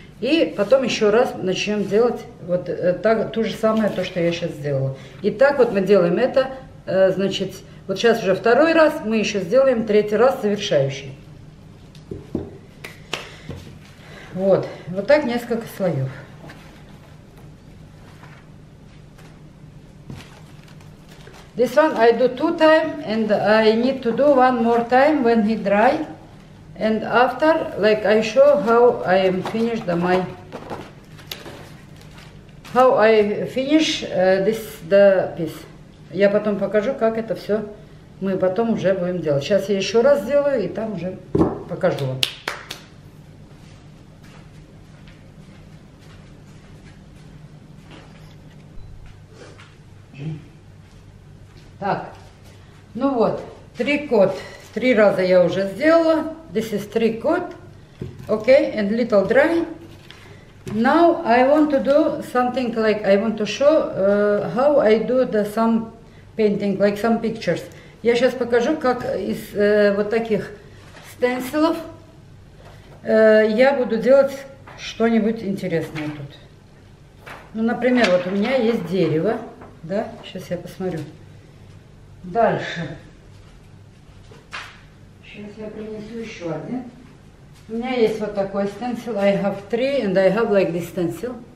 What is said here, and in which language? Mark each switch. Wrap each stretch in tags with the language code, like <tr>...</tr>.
<ru>И потом еще раз начнем делать вот так, то же самое, то, что я сейчас сделала. И так вот мы делаем это, значит, вот сейчас уже второй раз, мы еще сделаем третий раз завершающий. Вот, вот так несколько слоев.</ru> <en>This one I do two time, and I need to do one more time when he dry. And after, like I show how I am finished the my, how I finish this the piece.</en> <ru>Я потом покажу, как это все мы потом уже будем делать. Сейчас я еще раз сделаю и там уже покажу вам. Так, ну вот, трикот. Три раза я уже сделала.</ru> <en>This is трикот. Okay, and little dry. Now I want to do something like, I want to show how I do the some painting, like some pictures.</en> <ru>Я сейчас покажу, как из вот таких стенсилов я буду делать что-нибудь интересное тут. Ну, например, вот у меня есть дерево, да, сейчас я посмотрю. Дальше. Сейчас я принесу еще один. У меня есть вот такой стенсил.</ru> <en>I have three and I have like this stencil.</en>